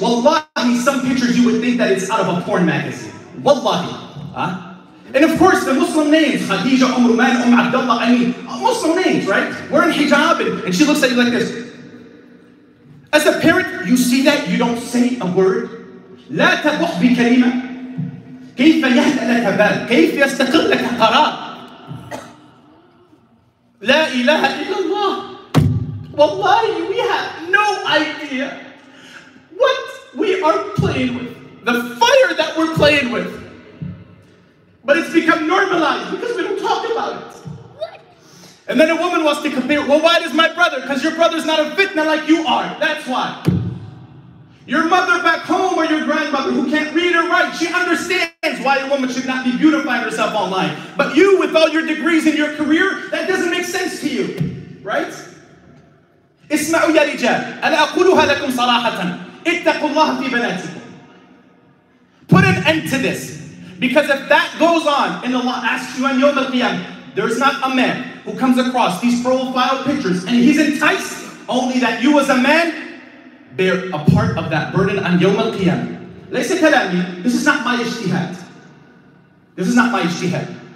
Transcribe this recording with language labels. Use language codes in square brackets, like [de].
[en] Wallahi, some pictures you would think that it's out of a porn magazine. Wallahi. Huh? And of course, the Muslim names, Khadija, Umruman, Abdullah, I mean, Muslim names, right? Wearing hijab, and she looks at you like this. As a parent, you see that, you don't say a word. [ar] لا تبخ بكلمة كيف يهدأ لك بال كيف يستقر لك قرار لا إله إلا الله. [en] والله, we have no idea what we are playing with, the fire that we're playing with. But it's become normalized because we don't talk about it. And then a woman wants to compare, well, why does my brother, because your brother's not a fitna like you are, that's why. Your mother back home or your grandmother who can't read or write, she understands why a woman should not be beautifying herself online. But you, with all your degrees and your career, that doesn't make sense to you, right? [ar] اسمعوا يا رجال, أنا أقولها لكم صراحة, اتقوا الله في بناتكم. [en] Put an end to this. Because if that goes on, and Allah asks you on Yawm al-Qiyam, there's not a man who comes across these profile pictures and he's enticed, only that you as a man bear a part of that burden on Yawm al-Qiyam. [ar] Laysa kalami, [en] this is not my ishtihad. This is not my ishtihad.